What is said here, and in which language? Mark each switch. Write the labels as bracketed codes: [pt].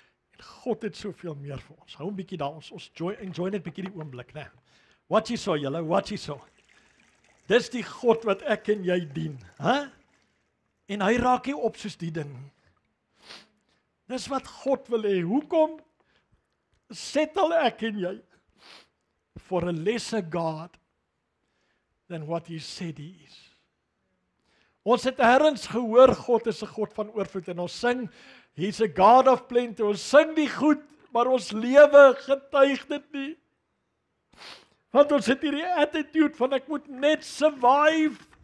[af] En God het soveel meer vir ons. Hou 'n bietjie daar, ons enjoy net 'n bietjie die oomblik, né? Wat jy so julle, wat jy so. Dis die God wat ek en jy dien. Huh? En hy raak nie op soos die ding. Dis wat God wil hê. Hoekom settel ek en jy [en] for a lesser God than what he said he is. [af] Ons het ergens gehoor, God is 'n God van oorvloed, en ons sing, [en] he's a God of plenty, [af] ons sing die goed, maar ons lewe getuig dit nie. Want ons het hierdie attitude van ek moet net survive.